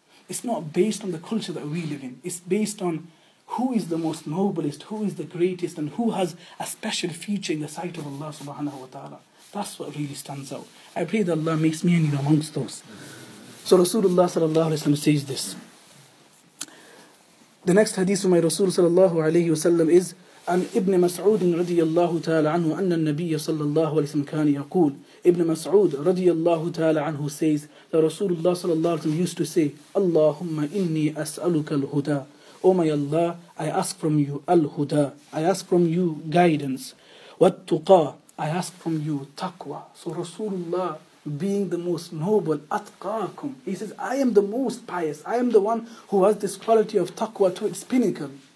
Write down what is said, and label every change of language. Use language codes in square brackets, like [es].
[en] It's not based on the culture that we live in. It's based on who is the most noblest, who is the greatest, and who has a special feature in the sight of Allah subhanahu wa ta'ala. That's what really stands out. I pray that Allah makes me and you amongst those. So Rasulullah sallallahu alayhi wa sallam says this. The next hadith of my Rasul sallallahu alayhi wa sallam is [ar] عن ابن مسعود رضي الله تعالى عنه أن النبي صلى الله عليه وسلم كان يقول ابن مسعود رضي الله تعالى عنه [en] says that [ar] رسول الله صلى الله عليه وسلم [en] used to say [ar] اللهم إني أسألك الهدى. [en] Oh my Allah, I ask from you الهدى, I ask from you guidance, والتقى, I ask from you تقوى. So رسول الله, being the most noble, أتقاكم, he says, I am the most pious, I am the one who has this quality of taqwa to its pinnacle.